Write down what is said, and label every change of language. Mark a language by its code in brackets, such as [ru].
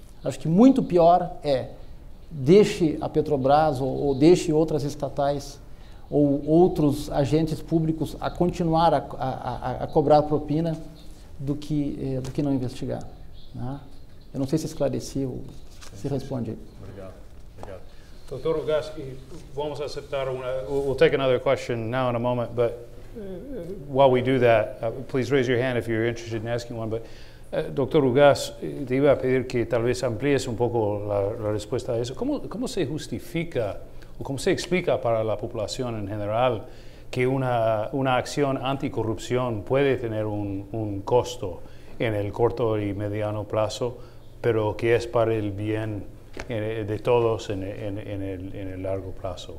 [pt] Acho que muito pior é deixe a Petrobras ou deixe outras estatais ou outros agentes públicos a continuar a cobrar propina do que não investigar. Né? Eu não sei se esclareci ou se responde. Obrigado. Dr. [en] Rogaski, [pt] vamos aceitar [en] we'll take another question now in a moment, but while we do that, please raise your hand if you're interested in asking one. But Dr. [es] Rugas, te iba a pedir que tal vez amplíes un poco la respuesta a eso. ¿Cómo se justifica o cómo se explica para la población en general que una acción anticorrupción puede tener un costo en el corto y mediano plazo, pero que es para el bien de todos en el largo plazo?